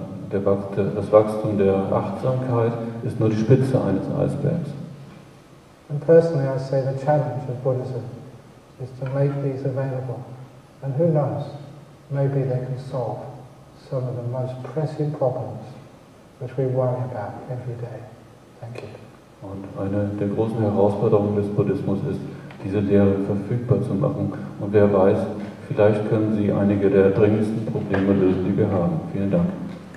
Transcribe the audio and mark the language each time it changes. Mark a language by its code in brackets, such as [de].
[de] Das Wachstum der Achtsamkeit ist nur die Spitze eines Eisbergs. [en] And personally, I say the challenge of Buddhism is to make these available. And who knows, maybe they can solve some of the most pressing problems which we worry about every day. Thank you. [de] Und eine der großen Herausforderungen des Buddhismus ist, diese Lehre verfügbar zu machen. Und wer weiß, vielleicht können Sie einige der dringendsten Probleme lösen, die wir haben. Vielen Dank.